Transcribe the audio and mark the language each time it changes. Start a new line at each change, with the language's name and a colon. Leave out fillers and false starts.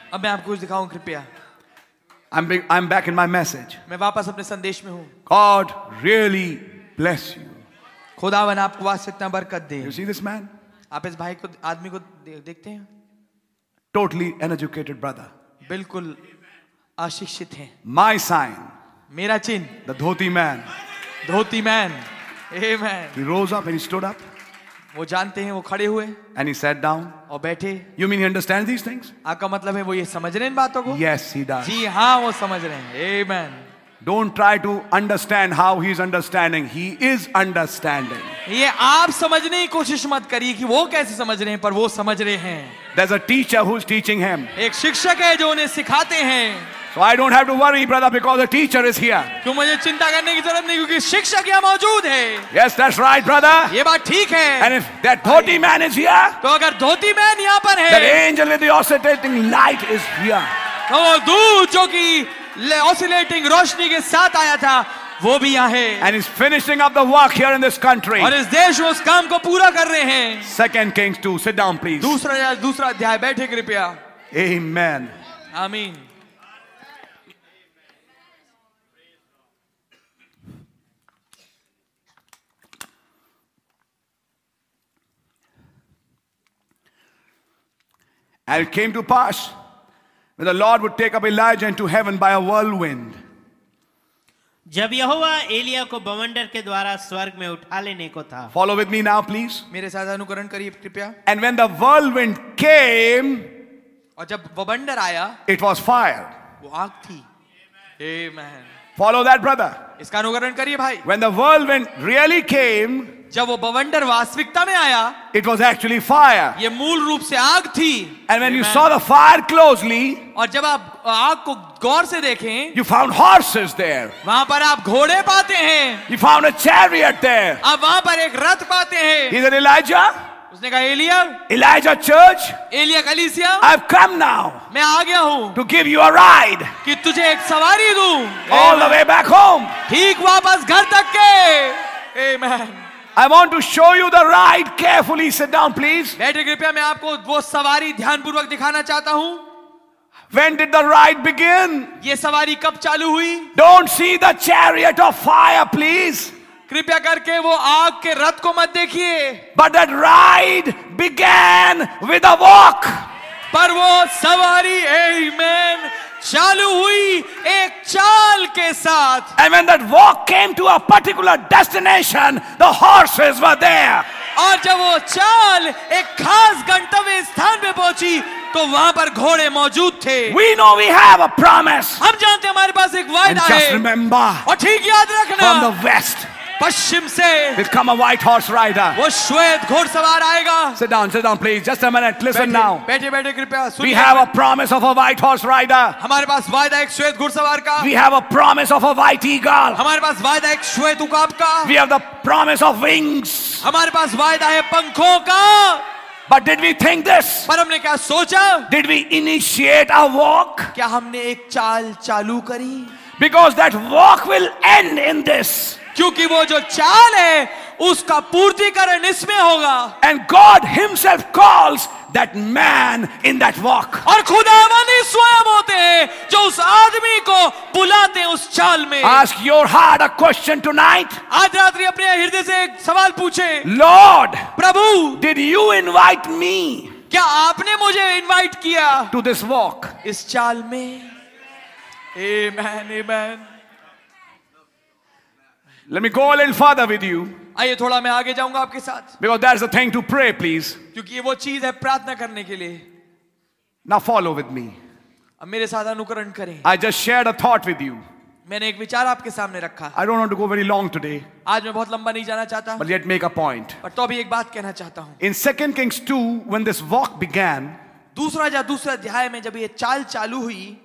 Hindi: अब मैं आपको कुछ दिखाऊं कृपया.
English: I'm back in my message.
Hindi: मैं वापस अपने संदेश में हूं.
English: God really bless you.
Hindi: खुदावन आपको वास्तव में बरकत दे.
English: You see this man?
Hindi: आप इस भाई को आदमी को देखते हैं?
English: Totally uneducated brother.
Hindi: बिल्कुल अशिक्षित हैं.
English: My sign.
Hindi: मेरा चिन्ह.
English: The dhoti man.
Hindi: Dhoti man. Amen.
English: He rose up and he stood up.
Hindi: वो जानते हैं, वो खड़े हुए.
English: And he sat down.
Hindi: और बैठे.
English: You mean he understands these things?
Hindi: आपका मतलब है वो ये समझ रहे हैं बातों को?
English: Yes, he does.
Hindi: जी हाँ, वो समझ रहे हैं. Amen.
English: Don't try to understand how he is understanding. He is understanding.
Hindi: ये आप समझने की कोशिश मत करिए कि वो कैसे समझ रहे हैं, पर वो समझ रहे हैं.
English: There's a teacher who's teaching him.
Hindi: एक शिक्षक है जो उन्हें सिखाते हैं.
English: So I don't have to worry, brother, because the teacher is here.
Hindi: तो मुझे चिंता करने की जरूरत नहीं, क्योंकि शिक्षक यहाँ मौजूद है.
English: Yes, that's right, brother.
Hindi: ये बात ठीक है.
English: And if that dhoti man is here,
Hindi: तो अगर धोती मैन यहाँ पर है,
English: the angel with the oscillating light is here.
Hindi: तो वो दूध जो कि ऑसिलेटिंग रोशनी के साथ आया था, वो भी यहाँ है.
English: And is finishing up the work here in this country.
Hindi: और इस देश में उस काम को पूरा कर रहे हैं.
English: Second kings 2, sit down please.
Hindi: दूसरा अध्याय, बैठे कृपया. आमीन आमीन.
English: And it came to pass when the Lord would take up Elijah into heaven by a whirlwind.
Hindi: जब यहोवा एलिया को बवंडर के द्वारा स्वर्ग में उठा लेने को था.
English: Follow with me now, please.
Hindi: मेरे साथ अनुकरण करिए कृपया.
English: And when the whirlwind came,
Hindi: और जब बवंडर आया,
English: it was fire.
Hindi: वो आग थी. Amen.
English: Follow that, brother.
Hindi: इसका अनुकरण करिए भाई.
English: When the whirlwind really came,
Hindi: जब वो बवंडर वास्तविकता में आया,
English: It was actually fire.
Hindi: ये मूल रूप से आग थी.
English: and when you saw the fire closely,
Hindi: और जब आप आग को गौर से देखें,
English: You found horses there.
Hindi: वहां पर आप घोड़े पाते हैं.
English: You found a chariot there.
Hindi: आप वहां पर एक रथ पाते हैं.
English: Is it Elijah?
Hindi: उसने कहा एलिया.
English: Elijah church.
Hindi: एलिया कलीसिया.
English: I have come now.
Hindi: मैं आ गया हूं.
English: To give you a ride.
Hindi: कि तुझे एक सवारी दूं.
English: All the way back home.
Hindi: ठीक वापस घर तक के. आमेन.
English: I want to show you the ride carefully. Sit down, please.
Hindi: बैठे कृपया. मैं आपको वो सवारी ध्यानपूर्वक दिखाना चाहता हूँ.
English: When did the ride begin?
Hindi: ये सवारी कब चालू हुई?
English: Don't see the chariot of fire, please.
Hindi: कृपया करके वो आग के रथ को मत देखिए.
English: But that ride began with a walk.
Hindi: पर वो सवारी, amen, चालू हुई एक चाल के साथ.
English: And when that walk came to a particular destination, the horses were there.
Hindi: और जब वो चाल एक खास गंतव्य स्थान पे पहुंची, तो वहां पर घोड़े मौजूद थे.
English: We know we have a promise.
Hindi: हम जानते हैं हमारे पास एक वायदा है.
English: Just remember.
Hindi: और ठीक याद रखना.
English: From the west.
Hindi: पश्चिम से
English: will come a white horse rider
Hindi: वो श्वेत घोड़सवार आएगा
English: sit down please just a minute listen now
Hindi: बैठे बैठे कृपया सुनिए
English: we have a promise of a white horse rider
Hindi: हमारे पास वायदा एक श्वेत घोड़सवार का
English: we have a promise of a white eagle
Hindi: हमारे पास वायदा एक श्वेत उकाब का
English: we have the promise of wings
Hindi: हमारे पास वायदा है पंखों का
English: But did we think this?
Hindi: पर हमने क्या सोचा?
English: Did we initiate our walk?
Hindi: क्या हमने एक चाल चालू करी?
English: Because that walk will end in this.
Hindi: क्योंकि वो जो चाल है, उसका पूर्तिकरण इसमें होगा.
English: And God Himself calls that man in that walk.
Hindi: और खुदावंद ही स्वयं होते हैं, जो उस आदमी को बुलाते हैं उस चाल में.
English: Ask your heart a question tonight.
Hindi: आज रात्रि अपने हृदय से एक सवाल पूछे.
English: Lord,
Hindi: Prabhu,
English: did you invite me?
Hindi: क्या आपने मुझे इनवाइट किया?
English: To this walk.
Hindi: इस चाल में. Amen, amen.
English: Let me go a little further with you.
Hindi: आइए थोड़ा मैं आगे जाऊंगा आपके साथ.
English: Because that's the thing to pray, please.
Hindi: क्योंकि ये वो चीज है प्रार्थना करने के लिए.
English: Now follow with me.
Hindi: अब मेरे साथ अनुकरण करें.
English: I just shared a thought with you.
Hindi: मैंने एक विचार आपके सामने रखा.
English: I don't want to go very long today.
Hindi: आज मैं बहुत लंबा नहीं जाना चाहता.
English: But yet make a point.
Hindi: पर तो भी एक बात कहना चाहता हूँ.
English: In 2 Kings 2, when this walk began.
Hindi: दूसरा अध्याय में जब ये चाल चालू हुई.